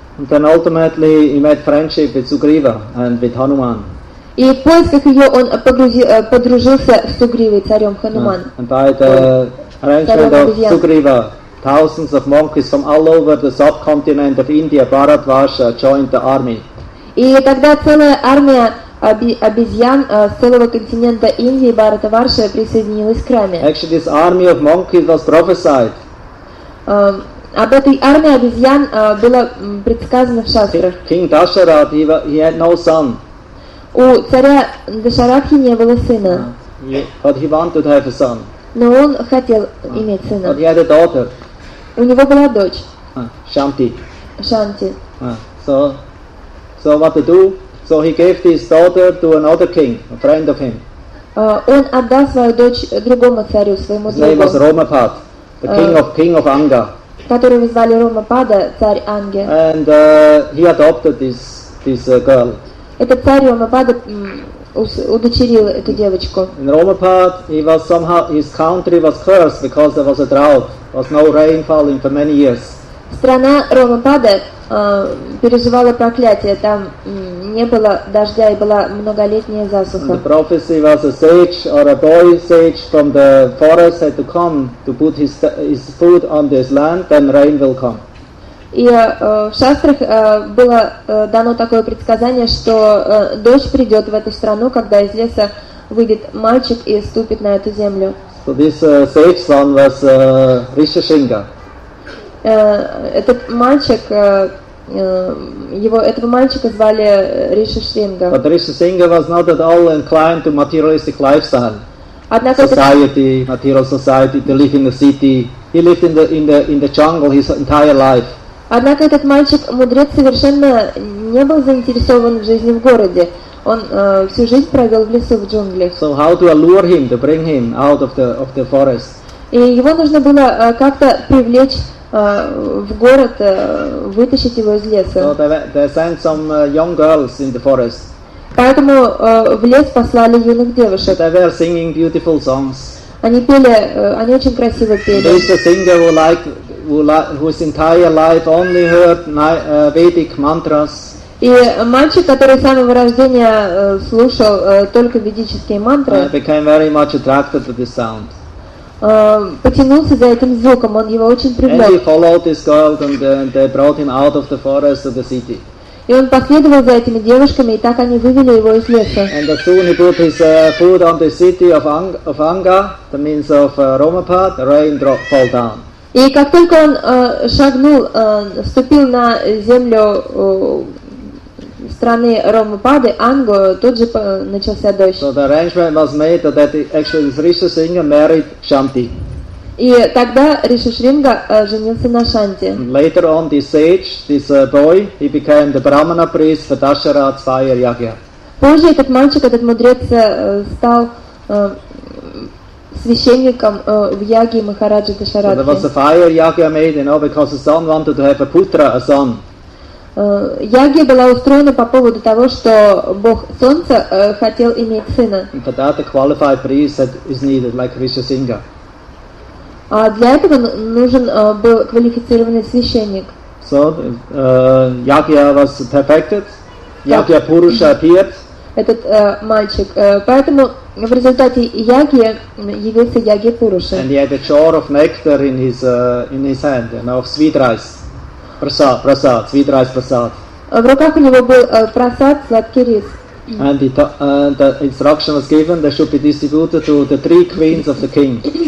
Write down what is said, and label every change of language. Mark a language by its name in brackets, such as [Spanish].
[English] And then ultimately he made friendship with Sugriva and with Hanuman. [Russian] И в поисках ее он подружился с Сугривой, царем Хануман. [English] And by the arrangement of Sugriva, thousands of monkeys from all over the subcontinent of India, Bharatvarsha, joined the army. [Russian] И тогда целая армия обезьян с целого континента Индии, Бхаратварши, присоединилась к раме. [English] Actually, this army of monkeys was prophesied. [Russian] Об этой армии обезьян было предсказано в шастрах. [English] King Dasharath, he had no son. [Russian] У царя Дашарадхи не было сына. [English] But he wanted to have a son. [Russian] Но он хотел иметь сына. [English] But he had a daughter. [Russian] У него была дочь. [English] Shanti. Shanti. So what to do? So he gave his daughter to another king, a friend of him. [Russian] Он отдал свою дочь другому царю, своему другу. [English] His name was Ромапад, the king of Anga. [Russian] Которого звали Ромапада, царь Анги. [English] And he adopted this girl. [Russian] Этот царь Ромапада удочерил эту девочку. [English] In Ромапад, he was somehow, his country was cursed because there was a drought. There was no rain falling for many years. [Russian] Страна Ромапада переживала проклятие. Там не было дождя и была многолетняя засуха. [English] And the prophecy was a sage or a boy sage from the forest had to come to put his food on this land, then rain will come. [Russian] И в шастрах было дано такое предсказание, что дождь придет в эту страну, когда из леса выйдет мальчик и ступит на эту землю. [English] So this sage son was Rishashinga. [Russian] Этот мальчик, этого мальчика звали Ришишинга. [English] But Ришишинга was not at all inclined to materialistic lifestyle. Society, material society, to live in the city. He lived in the jungle his entire life. [Russian] Однако этот мальчик, мудрец, совершенно не был заинтересован в жизни в городе. Он всю жизнь провел в лесу, в джунглях. [English] So how to allure him, to bring him out of the forest? [Russian] И его нужно было как-то привлечь в город, вытащить его из леса. [English] So they sent some young girls in the forest. [Russian] Поэтому в лес послали юных девушек. [English] They were singing beautiful songs. [Russian] Они пели, они очень красиво пели. [English] There is a singer whose entire life only heard Vedic mantras. [Russian] И мальчик, который с самого рождения слушал только ведические мантры, [English] became very much attracted to this sound. [Russian] Потянулся за этим звуком, он его очень привлек. [English] And he followed this girl and they brought him out of the forest to the city. [Russian] И он последовал за этими девушками, и так они вывели его из леса. [English] And as soon he put his food on the city of Anga, that means of Ромапад, the rain dropped, fell down. [Russian] И как только он шагнул, ступил на землю страны Ромапады, Ангу, тут же начался дождь. [English] So the arrangement was made that actually Ришишинга married Шанти. [Russian] И тогда Ришишинга женился на Шанти. [English] Later on, this sage, this boy, he became the Brahmana priest for Dasharath's fire yagya. [Russian] Позже этот мальчик, этот мудрец, стал священником в Яге Махараджи Дашарадхи. [English] So there was a fire yagya made, you know, because the son wanted to have a putra, a son. [Russian] Ягья была устроена по поводу того, что Бог Солнца хотел иметь сына. [English] For that, a qualified priest is needed, like Rishashinga. [Russian] А для этого нужен был квалифицированный священник. [English] So, Ягья was perfected. Ягья Пуруша отец. [Russian] Этот мальчик. Поэтому в результате Яги явился Яги Пуруша. [English] And he had a jar of nectar in his hand, you know, of sweet rice. Prasad, prasad, sweet rice prasad. [Russian] В руках у него был прасад, сладкий рис. [English] And the instruction was given that should be distributed to the three queens of the king.